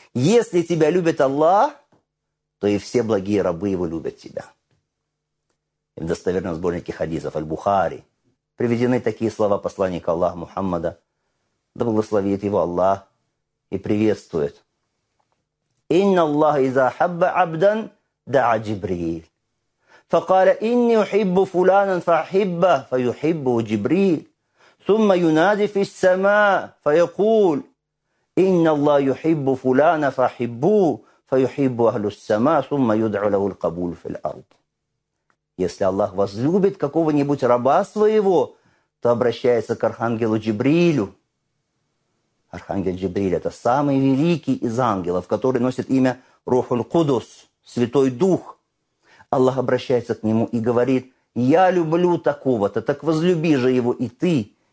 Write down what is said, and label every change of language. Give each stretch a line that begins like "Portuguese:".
Russian: Если тебя любит Аллах, то и все благие рабы его любят тебя. И в достоверном сборнике хадисов Аль-Бухари приведены такие слова посланника Аллаха Мухаммада, да благословит его Аллах и приветствует.
Arabic: «Инна Аллах иза хабба абдан даа Джибриль». فقال إني أحب فلانا فأحبه فيحبه جبريل ثم ينادي في السماء فيقول إن الله يحب فلانا فأحبوه فيحب أهل السماء ثم يدعو له القبول في الأرض.
Russian: Если Аллах возлюбит какого-нибудь раба своего, то обращается к архангелу Джибрилю. Архангел Джибриль – это самый великий из ангелов, который носит имя Рух-ул-Кудус, Святой Дух. Аллах обращается к нему и говорит: «Я люблю такого-то, так возлюби же его и ты».